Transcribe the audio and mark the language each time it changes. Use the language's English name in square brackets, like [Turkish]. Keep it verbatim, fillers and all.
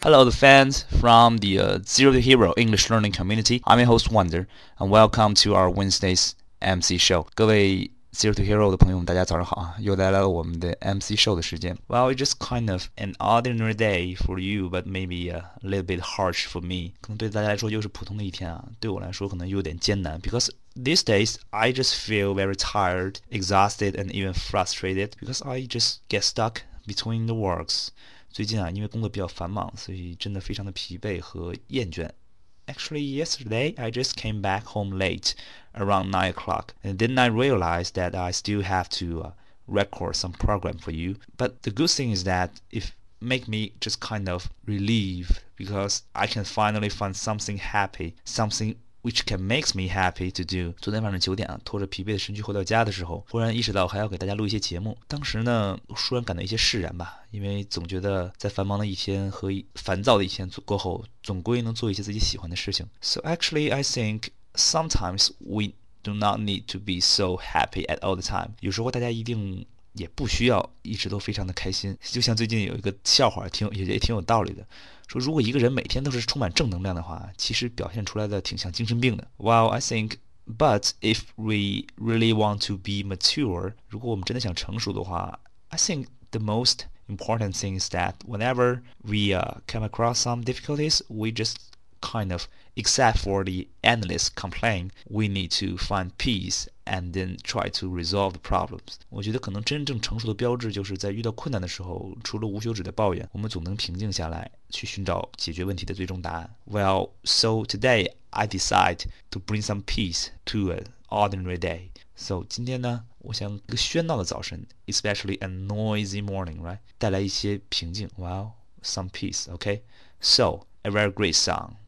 [English] Hello, the fans from the uh, Zero to Hero English Learning Community. I'm your host Wonder, and welcome to our Wednesday's M C Show. [Chinese] 各位 Zero to Hero 的朋友们，大家早上好啊！又来到了我们的 M C Show 的时间。 [English] Well, it's just kind of an ordinary day for you, but maybe a little bit harsh for me. [Chinese] 可能对大家来说又是普通的一天啊，对我来说可能有点艰难 [English] ，because these days I just feel very tired, exhausted, and even frustrated because I just get stuck between the works. [Chinese] 最近啊，因为工作比较繁忙，所以真的非常的疲惫和厌倦。 [English] Actually, yesterday I just came back home late, around nine o'clock, and then I realized that I still have to uh, record some program for you. But the good thing is that it make me just kind of relieved because I can finally find something happy, something. Which can makes me happy to do. [Chinese] 昨天晚上九点啊，拖着疲惫的身躯回到家的时候，忽然意识到还要给大家录一些节目。当时呢，突然感到一些释然吧，因为总觉得在繁忙的一天和烦躁的一天过后，总归能做一些自己喜欢的事情。 [English] So actually, I think sometimes we do not need to be so happy at all the time. [Chinese] 有时候大家一定也不需要一直都非常的开心。就像最近有一个笑话，挺也也挺有道理的。说如果一个人每天都是充满正能量的话，其实表现出来的挺像精神病的。 [English] Well, I think, but if we really want to be mature, [Chinese] 如果我们真的想成熟的话 [English] I think the most important thing is that whenever we、uh, come across some difficulties, we just kind of, except for the endless complaint, we need to find peace and then try to resolve the problems. [Chinese] 我觉得可能真正成熟的标志就是在遇到困难的时候，除了无休止的抱怨，我们总能平静下来，去寻找解决问题的最终答案。 [English] Well, so today I decide to bring some peace to an ordinary day. [Chinese] So 今天呢，我想一个喧闹的早晨 ， [English] especially a noisy morning, right? [Chinese] 带来一些平静。 [English] Well, some peace, okay? So a very great song.